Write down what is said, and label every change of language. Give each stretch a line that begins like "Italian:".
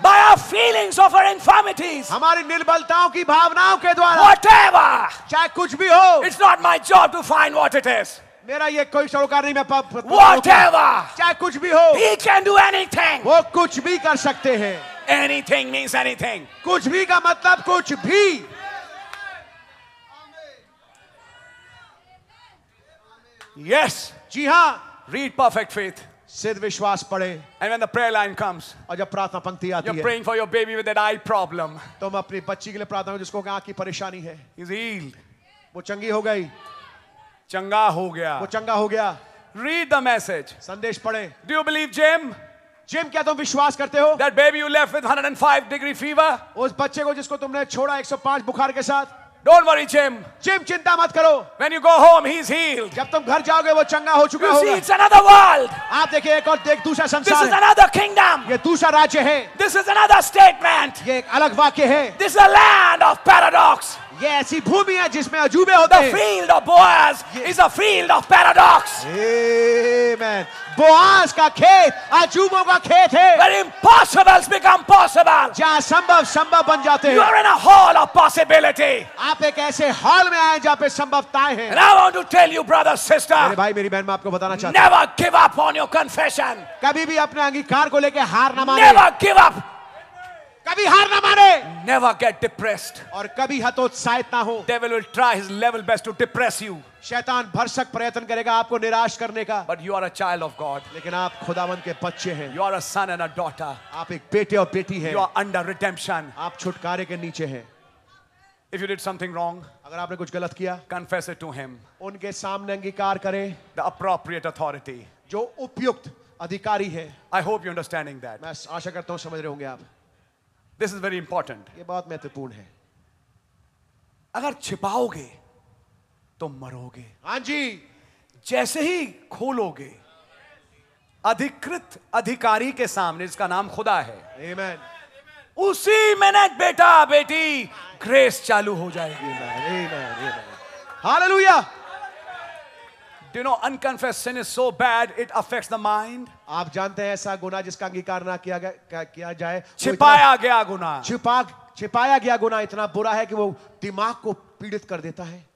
English: By our feelings of our infirmities.
Hindi: हमारी निर्बलताओं की भावनाओं के द्वारा.
English: Whatever.
Hindi: चाहे कुछ भी हो.
English: It's not my job to find what it is.
Hindi: मेरा ये कोई सरोकार नहीं. मैं
English: Whatever.
Hindi: चाहे कुछ भी हो.
English: He can do anything.
Hindi: वो कुछ भी कर सकते हैं.
English: Anything means anything.
Hindi: कुछ भी का मतलब कुछ भी.
English: Yes.
Hindi: जी हाँ.
English: Read perfect faith.
Hindi: सिद्ध विश्वास पढ़े.
English: And when the prayer line comes.
Hindi: और जब प्रार्थना पंक्ति आती है.
English: You're praying for your baby with an eye problem.
Hindi: तुम अपनी बच्ची के लिए प्रार्थना करो जिसको आँख की परेशानी है.
English: He's healed.
Hindi: वो चंगी हो गई. चंगा हो गया. वो चंगा हो गया.
English: Read the message.
Hindi: संदेश पढ़े.
English: Do you believe Jim?
Hindi: Gym क्या तुम विश्वास करते हो?
English: That baby you left with 105 degree fever.
Hindi: उस बच्चे को जिसको तुमने छोड़ा 105 बुखार के साथ.
English: Don't worry, Jim.
Hindi: Jim, चिंता मत करो.
English: When you go home, he's healed.
Hindi: जब तुम घर जाओगे वो चंगा हो चुका होगा.
English: You see, it's another world.
Hindi: आप देखिए एक और देख दूसरा संसार.
English: This is another kingdom.
Hindi: ये दूसरा राज्य है.
English: This is another statement.
Hindi: ये एक अलग वाक्य है.
English: This is a land of paradox.
Hindi: ये ऐसी भूमि है जिसमें अजूबे होते हैं.
English: The field of Boaz is a field of paradox. Amen.
Hindi: Boaz का खेत अजूबों का खेत है.
English: Where impossibles become possible.
Hindi: जहां संभव संभव बन जाते हैं.
English: You are in a hall of possibility.
Hindi: आप एक ऐसे हॉल में आए जहां पे संभवताएं हैं.
English: And I want to tell you, brother, sister.
Hindi: मेरे भाई मेरी बहन, मैं आपको बताना चाहता हूं.
English: Never give up on your confession.
Hindi: कभी भी अपने अंगीकार को लेके हार ना माने.
English: Never give up.
Hindi: कभी हार ना माने.
English: Never get depressed.
Hindi: और कभी हतोत्साहित ना हो.
English: Devil will try his level best to depress you.
Hindi: शैतान भरसक प्रयत्न करेगा आपको निराश करने का.
English: But you are a child of God.
Hindi: लेकिन आप खुदावंद के बच्चे हैं.
English: You are a son and a daughter.
Hindi: आप एक बेटे और बेटी हैं.
English: You are under redemption.
Hindi: आप छुटकारे के नीचे हैं.
English: If you did something wrong,
Hindi: अगर आपने कुछ गलत किया,
English: confess it to him.
Hindi: उनके सामने अंगीकार करें.
English: The appropriate authority.
Hindi: जो उपयुक्त अधिकारी है.
English: I hope you're understanding that.
Hindi: मैं आशा करता हूँ समझ रहे होंगे आप.
English: This is very important.
Hindi: ये बहुत महत्वपूर्ण है. अगर छिपाओगे तो मरोगे. हाँ जी. जैसे ही खोलोगे अधिकृत अधिकारी के सामने जिसका नाम खुदा है.
English: Amen.
Hindi: उसी मिनट बेटा बेटी ग्रेस चालू हो जाएगी.
English: Amen. Amen. Hallelujah. You know, unconfessed sin is so bad, it affects the mind.
Hindi: आप जानते हैं ऐसा गुनाह जिसका अंगीकार ना किया जाए. छिपाया गया गुनाह. छिपाया गया गुनाह इतना बुरा है कि वो दिमाग को पीड़ित कर देता है.